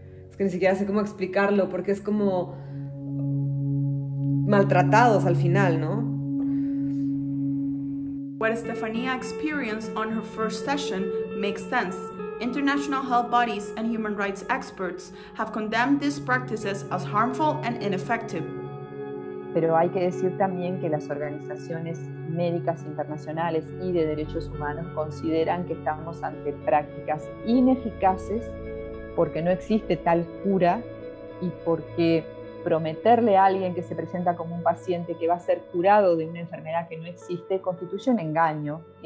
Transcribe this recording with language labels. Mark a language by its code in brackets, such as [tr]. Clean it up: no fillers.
[es] Es que ni siquiera sé cómo explicarlo, porque es como maltratados al final, ¿no? [en] What Stephania experienced on her first session makes sense. International health bodies and human rights experts have condemned these practices as harmful and ineffective. [es] Pero hay que decir también que las organizaciones médicas internacionales y de derechos humanos consideran que estamos ante prácticas ineficaces porque no existe tal cura y porque prometerle a alguien que se presenta como un paciente que va a ser curado de una enfermedad que no existe constituye un engaño.